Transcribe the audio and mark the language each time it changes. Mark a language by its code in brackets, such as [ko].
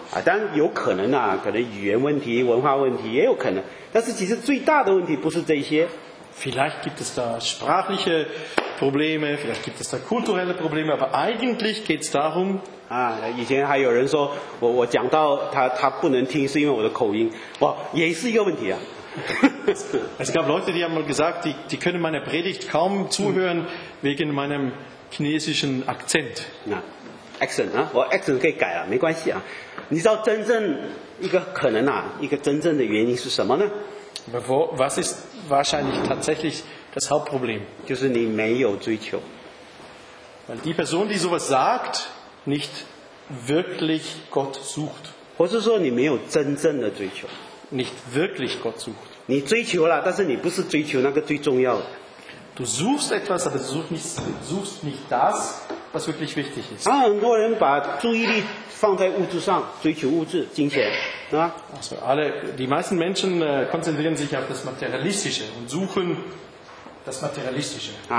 [zh] 啊，当然有可能啊，可能语言问题、文化问题也有可能。但是其实最大的问题不是这些。 [de] Vielleicht gibt es da sprachliche Probleme, vielleicht gibt es da kulturelle Probleme, aber eigentlich geht es darum. [zh] 啊，以前还有人说我讲到他不能听，是因为我的口音，哇，也是一个问题啊。 [de] Es gab Leute, die haben mal gesagt, die können meiner Predigt kaum zuhören wegen meinem chinesischen Akzent. [zh] Accent 啊，我 accent 可以改了，没关系啊。你知道真正一个可能啊，一个真正的原因是什么呢？ [de] Was ist wahrscheinlich tatsächlich das Hauptproblem? [zh] 就是你没有追求。 [de] Weil die Person, die sowas sagt, nicht wirklich Gott sucht. [zh] 或是说你没有真正的追求。 [de] Nicht wirklich Gott sucht. [zh] 你追求了，但是你不是追求那个最重要的。 [de] Du suchst etwas, aber suchst nicht das, was wirklich wichtig ist. [zh] 啊，很多人把注意力放在物质上，追求物质、金钱。 [de] Also, die meisten Menschen konzentrieren sich auf das Materialistische und suchen das Materialistische.